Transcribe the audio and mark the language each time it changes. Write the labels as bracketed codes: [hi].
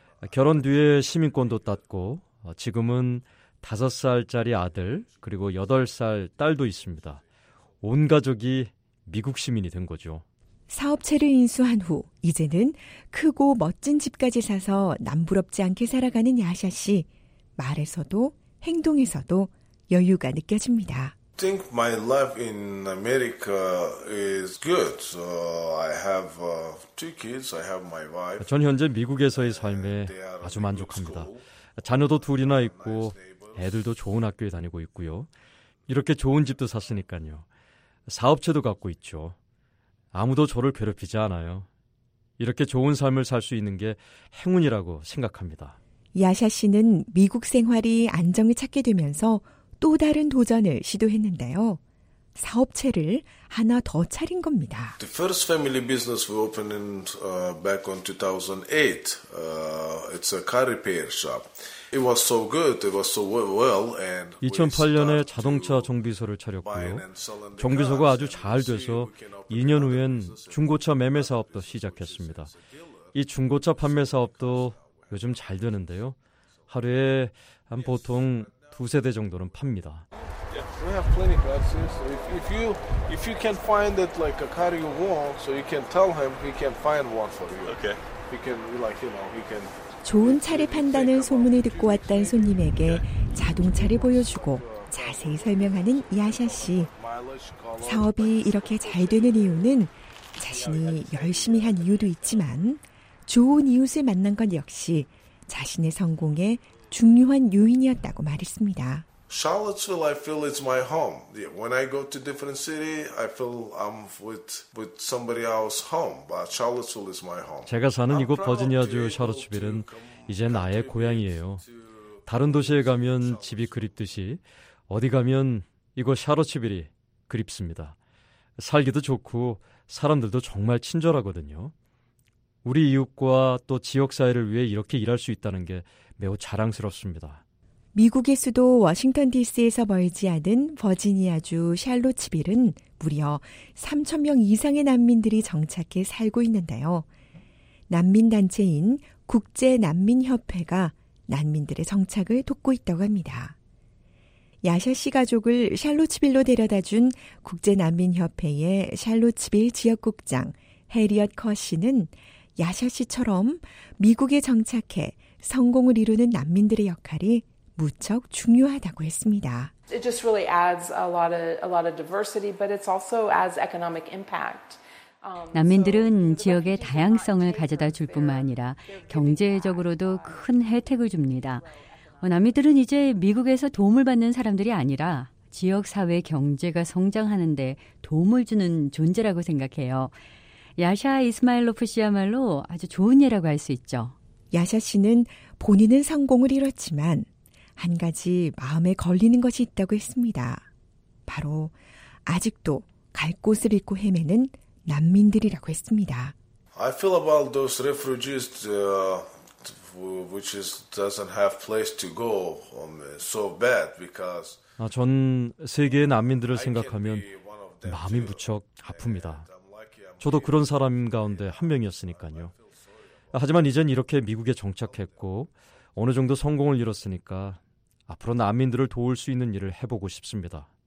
[ko] 결혼 뒤에 시민권도 땄고 지금은 5살짜리 아들 그리고 8살 딸도 있습니다. 온 가족이 미국 시민이 된 거죠. 사업체를 인수한 후 이제는 크고 멋진 집까지 사서 남부럽지 않게 살아가는 야샤 씨. 말에서도 행동에서도 여유가 느껴집니다. [en] I think my life in America is good. So I have two kids. I have my wife. [ko] 전 현재 미국에서의 삶에 아주 만족합니다. 자녀도 둘이나 있고 애들도 좋은 학교에 다니고 있고요. 이렇게 좋은 집도 샀으니까요. 사업체도 갖고 있죠. 아무도 저를 괴롭히지 않아요. 이렇게 좋은 삶을 살 수 있는 게 행운이라고 생각합니다. 야샤 씨는 미국 생활이 안정을 찾게 되면서 또 다른 도전을 시도했는데요. 사업체를 하나 더 차린 겁니다. [en] The first family business we opened back on 2008. It's a car repair shop. It was so good. It was so well. And [ko] 2008년에 자동차 정비소를 차렸고요. 정비소가 아주 잘 돼서 2년 후엔 중고차 매매 사업도 시작했습니다. 이 중고차 판매 사업도 요즘 잘 되는데요. 하루에 한 보통 두세 대 정도는 팝니다. [en] We have plenty classes. If you can find it like a car you want, so you can tell him he can find one for you. Okay. He can like you know he can. [ko] 좋은 차를 판다는 소문을 듣고 왔던 손님에게 자동차를 보여주고 자세히 설명하는 야샤 씨. 사업이 이렇게 잘 되는 이유는 자신이 열심히 한 이유도 있지만 좋은 이웃을 만난 건 역시 자신의 성공에 중요한 요인이었다고 말했습니다. [en] Charlottesville, I feel it's my home. Yeah, when I go to different city, I feel I'm with somebody else's home. But Charlottesville is my home. [ko] 제가 사는 이곳 버지니아주 샬롯스빌은 이제 나의 고향이에요. 다른 도시에 가면 집이 그립듯이 어디 가면 이곳 샬롯스빌이 그립습니다. 살기도 좋고 사람들도 정말 친절하거든요. 우리 이웃과 또 지역 사회를 위해 이렇게 일할 수 있다는 게 매우 자랑스럽습니다. 미국의 수도 워싱턴 DC에서 멀지 않은 버지니아주 샬롯스빌은 무려 3천 명 이상의 난민들이 정착해 살고 있는데요. 난민단체인 국제난민협회가 난민들의 정착을 돕고 있다고 합니다. 야샤 씨 가족을 샬롯스빌로 데려다준 국제난민협회의 샬롯스빌 지역국장 해리엇 커 씨는 야샤 씨처럼 미국에 정착해 성공을 이루는 난민들의 역할이 무척 중요하다고 했습니다. [en] It just really adds a lot of diversity, but it's also adds economic impact. [ko] 난민들은 지역의 다양성을 가져다 줄 뿐만 아니라 경제적으로도 큰 혜택을 줍니다. 난민들은 이제 미국에서 도움을 받는 사람들이 아니라 지역 사회 경제가 성장하는 데 도움을 주는 존재라고 생각해요. 야샤 이스마일로프 씨야말로 아주 좋은 예라고 할 수 있죠. 야샤 씨는 본인은 성공을 이뤘지만 한 가지 마음에 걸리는 것이 있다고 했습니다. 바로 아직도 갈 곳을 잃고 헤매는 난민들이라고 했습니다. [en] I feel about those refugees which is doesn't have place to go so bad because [ko] 전 세계의 난민들을 생각하면 마음이 무척 아픕니다. 저도 그런 사람 가운데 한 명이었으니까요. 하지만 이젠 이렇게 미국에 정착했고 어느 정도 성공을 이뤘으니까 앞으로 난민들을 도울 수 있는 일을 해보고 싶습니다.